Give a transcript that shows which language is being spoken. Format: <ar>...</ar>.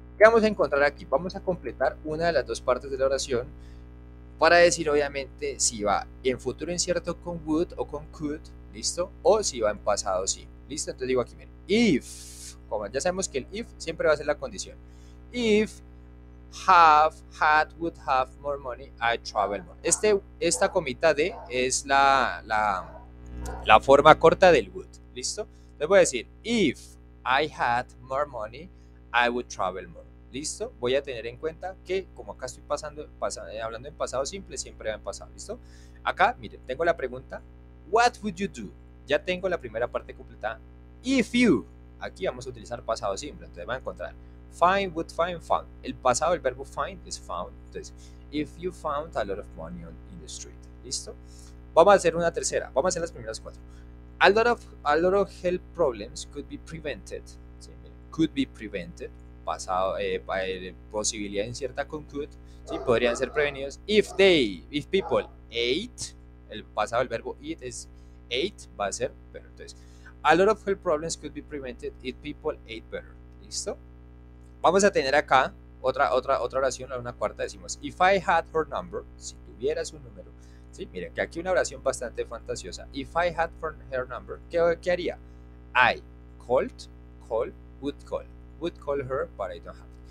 <es>¿Qué vamos a encontrar aquí? Vamos a completar una de las dos partes de la oración para decir obviamente si va en futuro incierto con would o con could, ¿listo? O si va en pasado sí, ¿listo? Entonces digo aquí, miren, if, como ya sabemos que el if siempre va a ser la condición.</es> <en>If have, had, would have more money, I travel more.</en> <es>Esta comita de es la forma corta del would, ¿listo?</es> <en>Les voy a decir, if I had more money, I would travel more.</en> <es>¿Listo? Voy a tener en cuenta que como acá estoy hablando en pasado simple, siempre va en pasado, ¿listo? Acá, miren, tengo la pregunta,</es> <en>what would you do?</en> <es>Ya tengo la primera parte completada.</es> <en>If you,</en> <es>aquí vamos a utilizar pasado simple, entonces va a encontrar, find, would, found. El pasado del verbo find es found. Entonces,</es> <en>if you found a lot of money in the street,</en> <es>¿listo? Vamos a hacer una tercera, vamos a hacer las primeras cuatro.</es> <en>A lot of health problems could be prevented.</en> <es>¿Sí?</es> <en>Could be prevented.</en> <es>Pasado, posibilidad incierta con could. ¿Sí? Podrían ser prevenidos.</es> <en>If people ate,</en> <es>el pasado del verbo eat es ate, va a ser, pero entonces.</es> <en>A lot of health problems could be prevented if people ate better.</en> <es>¿Listo? Vamos a tener acá otra oración, una cuarta. Decimos,</es> <en>if I had her number,</en> <es>si tuvieras un número. ¿Sí? Miren, que aquí una oración bastante fantasiosa.</es> <en>If I had her number,</en> <es>¿qué haría?</es> <en>I called, would call. Would call her, but I don't have.</en>